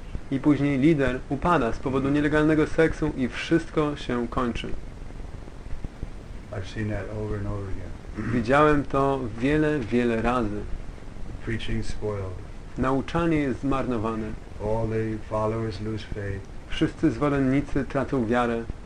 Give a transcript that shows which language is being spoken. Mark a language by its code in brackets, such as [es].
[pl] I później lider upada z powodu nielegalnego seksu i wszystko się kończy. [en] I've seen that over and over again. [pl] Widziałem to wiele, wiele razy. [en] Preaching spoiled. [pl] Nauczanie jest zmarnowane. [en] All the followers lose faith. [pl] Wszyscy zwolennicy tracą wiarę.